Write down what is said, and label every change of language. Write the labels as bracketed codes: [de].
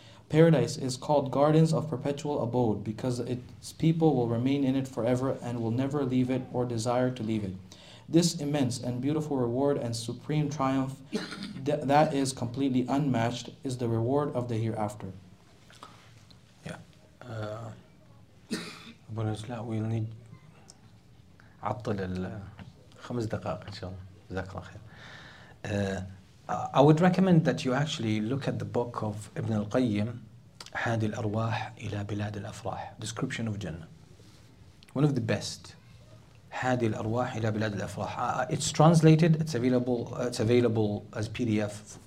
[en] Paradise is called Gardens of Perpetual Abode because its people will remain in it forever and will never leave it or desire to leave it. This immense and beautiful reward and supreme triumph that is completely unmatched is the reward of the hereafter. [ar] Abu Nasla, [en] we'll need [ar] عطل الخمس دقائق إن شاء الله جزاك الله خير. [en] I would recommend that you actually look at the book of Ibn al-Qayyim, Hadi al-Arwah ila Bilad al-Afrah, Description of Jannah. One of the best. Hadi al-Arwah ila Bilad al-Afrah. It's translated, it's available as PDF.